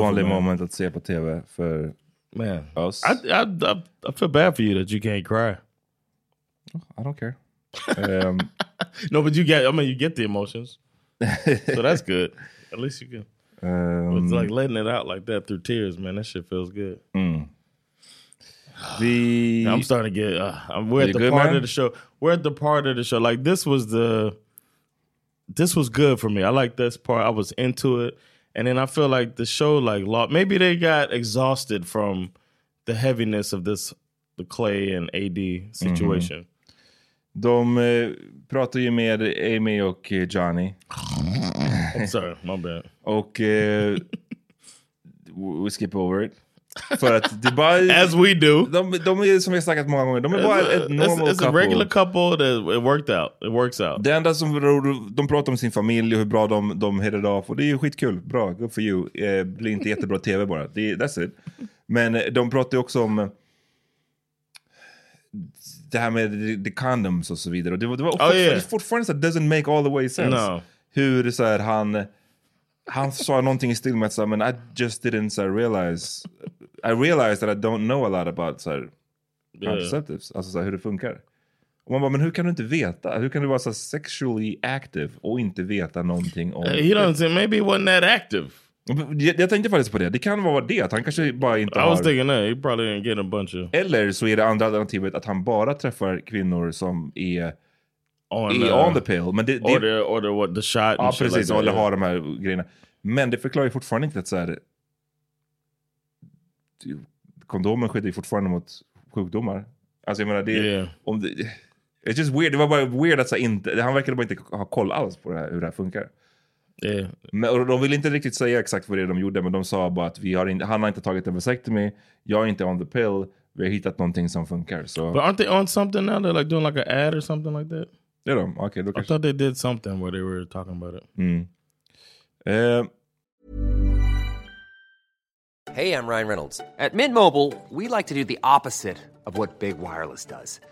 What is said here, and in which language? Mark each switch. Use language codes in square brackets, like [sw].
[sv] Ovanlig moment att se på TV för man. [en] Us. I feel bad for you that you can't cry. I don't care. No, but you get the emotions. So that's good. At least you can. It's like letting it out like that through tears, man. That shit feels good. I'm starting to get. We're at the part of the show. Like this was good for me. I like this part. I was into it, and then I feel like the show, like, maybe they got exhausted from the heaviness of this, the Clay and AD situation. Mm-hmm. [sv] De pratar ju med Amy och Johnny. [en] I'm sorry, my bad. Okay, we skip over it. [sv] För att det bara, [en] as we do. [sv] De är som vi har snackat många gånger. De är bara ett [en] normal couple. It's a regular couple that it worked out. It works out. [sv] Det enda som de pratar om sin familj och hur bra de [en] headed off. [sv] Och det är ju skitkul. Bra, [en] good for you. [sv] Blir inte jättebra TV bara. [en] That's it. [sv] Men de pratar ju också om det här med [en] the condoms [sv] och så vidare. Och det var fortfarande så att [en] it doesn't make all the way sense. No. [sv] Hur så här han sa någonting i stil med så här, men [en] I just didn't [sv] så här, [en] realize that I don't know a lot about [sv] så här, contraceptives. Alltså så här, hur det funkar. Och man bara, men hur kan du inte veta? Hur kan du vara så [en] sexually active [sv] och inte veta någonting om [en] he don't say, maybe he wasn't that active. [sv] Jag tänkte faktiskt på det. Det kan vara det. Han kanske bara inte har... [en] I was thinking that. He probably didn't get a bunch of... [sv] Eller så är det andra alternativet att han bara träffar kvinnor som är... [en] On the pill. [sv] Men [en] Or the what, the shot. [sv] Ja, precis. Eller har de här grejerna. Men det förklarar ju fortfarande inte att så här... Kondomen skyddar ju fortfarande mot sjukdomar. Alltså jag menar, det... [en] Yeah. It's just weird. [sv] Det var bara weird att så här, inte... Han verkade bara inte ha koll alls på det här, hur det här funkar. [en] Yeah. [sv] Men de ville inte riktigt säga exakt vad det är de gjorde, men de sa bara att han har inte tagit en vasectomy, jag är inte [en] on the pill, [sv] vi har hittat någonting som funkar. [en] So. But aren't they on something now? They're like doing like an ad or something like that? [sv] Det är de, okej. [en] I thought they did something where they were talking about it. Hey, I'm Ryan Reynolds. At Mint Mobile, we like to do the opposite of what Big Wireless does.